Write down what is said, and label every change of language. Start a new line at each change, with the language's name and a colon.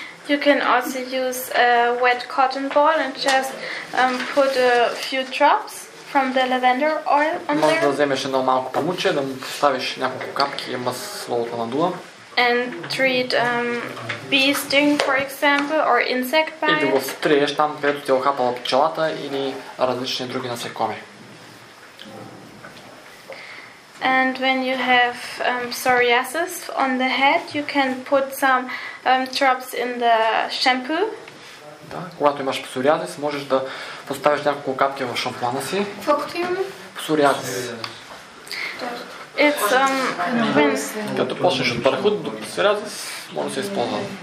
English: You can also use a wet cotton ball and just put a few drops from the lavender oil on there.
Bulgarian: Може да вземеш едно малко памуче, да му поставиш няколко капки и маслото на дула.
English: And treat bee sting, for example, or insect bite.
Bulgarian: И да го втриеш там, където ти е охапала пчелата или различни други насекоми.
English: And when you have psoriasis on the head, you can put some drops in the shampoo.
Bulgarian: Да, когато имаш псориазис, можеш да поставиш няколко капки в шампуана си. Какво имаме? Псориазис.
English: It's
Bulgarian: като почнеш от парахут до псориазис, може да се използва.